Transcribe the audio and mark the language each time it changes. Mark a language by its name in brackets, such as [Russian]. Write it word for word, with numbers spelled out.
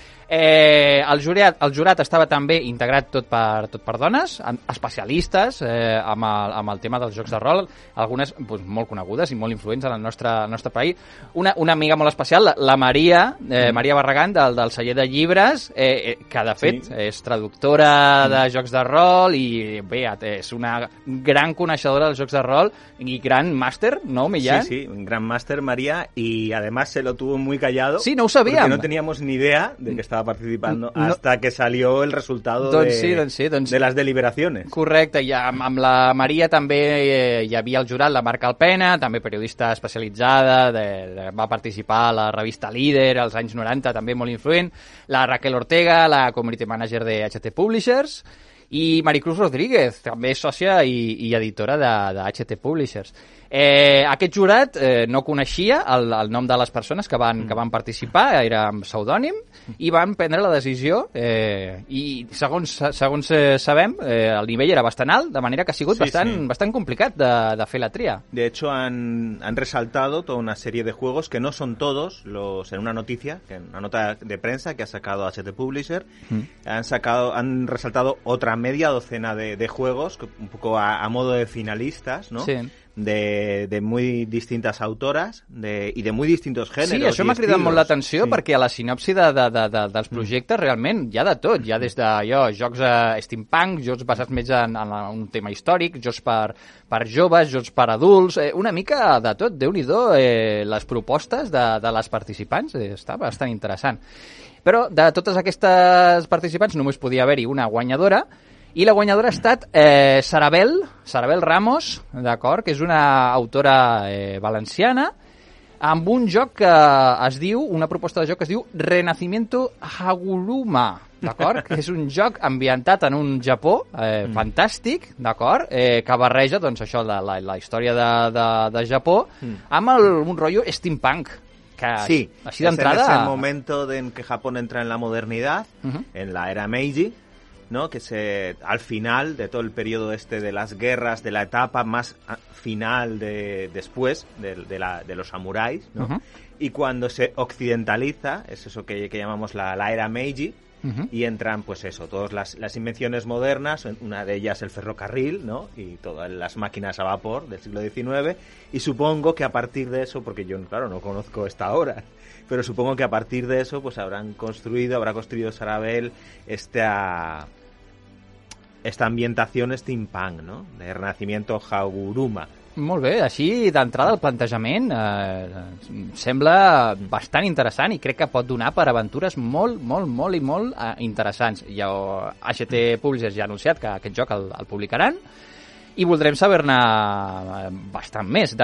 [Catalan] Eh, el jurat, el jurat estava també integrat tot per tot per dones, especialistes eh, amb el amb el tema dels jocs de rol, algunes doncs, molt conegudes i molt influents en el nostre al nostre país. Una una amiga molt especial, la, la Maria, eh, Maria Barragán del del celler de llibres, eh, eh, que de fet sí. és traductora de jocs de rol i bé, és una gran coneixedora dels jocs de rol i gran màster, ¿no, Millán? [Spanish] Sí, sí, un gran màster María, y además se lo tuvo muy callado. Sí, no ho sabíamos. Porque no teníamos ni idea de que estaba participando no. hasta que salió el resultado [Catalan] doncs de, sí, doncs sí, doncs... [Spanish] de las deliberaciones. [Catalan] Correcte, i amb, amb la Maria també eh, hi havia el jurat, la Marc Alpena, també periodista especialitzada, de, de, va participar a la revista Líder als anys noranta, també molt influent, la Raquel Ortega, la community manager de H T Publishers, i Maricruz Rodríguez, també sòcia i, i editora de, de H T Publishers. Eh, aquest jurat eh, no coneixia el, el nom de les persones que van, que van participar, era amb pseudònim, i van prendre la decisió, eh, i segons, segons eh, sabem, eh, el nivell era bastant alt, de manera que ha sigut sí, bastant, sí. bastant complicat de, de fer la tria. [Spanish] De hecho, han, han resaltado toda una serie de juegos que no son todos los en una noticia, en una nota de prensa que ha sacado H T Publisher, mm. han sacado han resaltado otra media docena de, de juegos, un poco a, a modo de finalistas, ¿no? Sí. De, de muy distintas autoras de, i de muy distintos géneros. [Catalan] Sí, això m'ha cridat molt l'atenció sí. perquè a la sinopsi de, de, de, de, dels projectes realment hi ha de tot, hi ha des de jo, jocs eh, steampunk, jocs basats més en, en un tema històric, jocs per, per joves, jocs per adults, eh, una mica de tot, Déu-n'hi-do, eh, les propostes de, de les participants, eh, està bastant interessant. Però de totes aquestes participants només podia haver-hi una guanyadora, i la guanyadora ha estat eh, Sarabel, Sarabel Ramos, d'acord, que és una autora eh, valenciana, amb un joc que es diu, una proposta de joc que es diu Renacimiento Haguruma, d'acord? Que és un joc ambientat en un Japó eh, mm. fantàstic, d'acord? Eh, que barreja, doncs, això, la, la, la història de, de, de Japó mm. amb el, un rotllo steampunk. Sí, [Spanish] así de entrada... es en ese momento en que Japón entra en la modernidad, uh-huh. en la era Meiji, ¿no? Que se al final de todo el periodo este de las guerras, de la etapa más final de después de, de, la, de los samuráis, ¿no? Uh-huh. Y cuando se occidentaliza, es eso que, que llamamos la, la era Meiji, uh-huh. y entran, pues eso, todas las, las invenciones modernas, una de ellas el ferrocarril, ¿no? Y todas las máquinas a vapor del siglo diecinueve, y supongo que a partir de eso, porque yo, claro, no conozco esta obra, pero supongo que a partir de eso, pues habrán construido, habrá construido Sarabel esta... esta ambientación steampunk, ¿no? De Renacimiento Haguruma. [Catalan] Molt bé, així d'entrada el plantejament eh, sembla bastant interessant i crec que pot donar per aventures molt, molt, molt i molt eh, interessants. Ja, H T Publishers ja ha anunciat que aquest joc el, el publicaran i voldrem saber-ne bastant més.